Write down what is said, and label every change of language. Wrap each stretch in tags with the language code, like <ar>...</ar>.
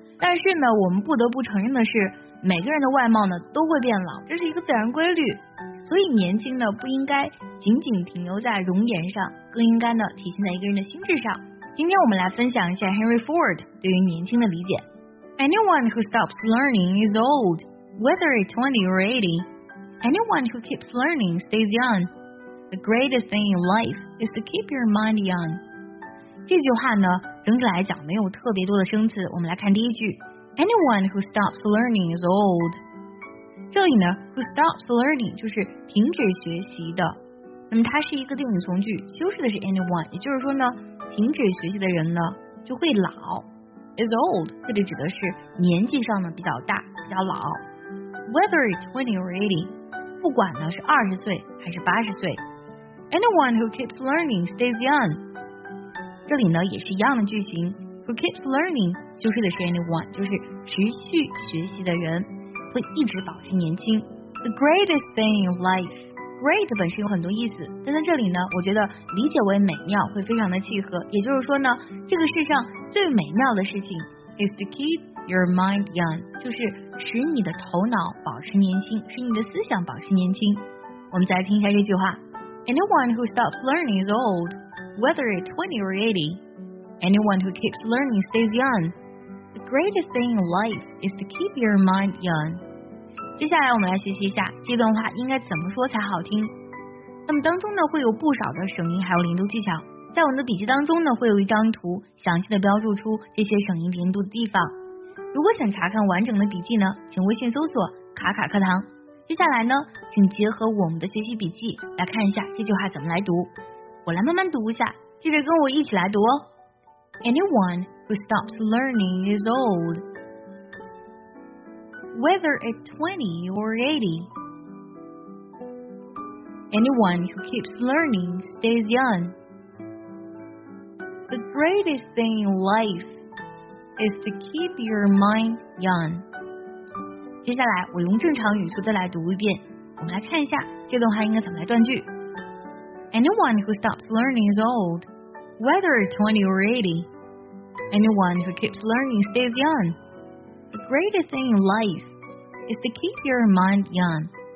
<zh>但是呢，我们不得不承认的是，每个人的外貌呢，都会变老，这是一个自然规律。所以，年轻呢，不应该仅仅停留在容颜上，更应该呢，体现在一个人的心智上。今天我们来分享一下 Henry Ford 对于年轻的理解。</zh> <en>Anyone who stops learning is old. Whether it's 20 or 80, anyone who keeps learning stays young. The greatest thing in life is to keep your mind young.</en> <zh>这句话呢，整体来讲没有特别多的生词。我们来看第一句 ，</zh> <en>Anyone who stops learning is old.</en> <zh>这里呢 ，</zh> <en>who stops learning</en> <zh>就是停止学习的。那么它是一个定语从句，修饰的是 anyone， 也就是说呢，停止学习的人呢就会老。</zh> <en>Is old</en> <zh>这里指的是年纪上呢比较大，比较老。</zh> <en>Whether it's 20 or 80,</en> <zh>不管呢是20岁还是80岁。</zh> <en>Anyone who keeps learning stays young.</en> <zh>这里呢也是一样的句型。</zh> <en>Who keeps learning,</en> <zh>修饰的是 anyone, 就是持续学习的人会一直保持年轻。</zh> <en>The greatest thing in life.</en> <zh>Great 本身有很多意思，但在这里呢我觉得理解为美妙会非常的契合。也就是说呢，这个世上最美妙的事情</zh> <en>is to keep your mind young,</en> <zh>就是使你的头脑保持年轻，使你的思想保持年轻。我们再来听一下这句话。</zh> <en>Anyone who stops learning is old, whether it's 20 or 80. Anyone who keeps learning stays young. The greatest thing in life is to keep your mind young.</en> <zh>接下来我们来学习一下这段话应该怎么说才好听。那么当中呢会有不少的省音还有零度技巧。在我们的笔记当中呢会有一张图详细的标注出这些省音零度的地方。如果想查看完整的笔记呢，请微信搜索卡卡课堂。接下来呢，请结合我们的学习笔记来看一下这句话怎么来读。我来慢慢读一下，记得跟我一起来读哦。</zh> <en>Anyone who stops learning is old. Whether it's 20 or 80. Anyone who keeps learning stays young. The greatest thing in lifeis to keep your mind young.</en> <zh>接下来我用正常语速再来读一遍，我们来看一下这段话应该怎么来断句。</zh> <en>Anyone who stops learning is old, whether 20 or 80. Anyone who keeps learning stays young. The greatest thing in life is to keep your mind young.</en>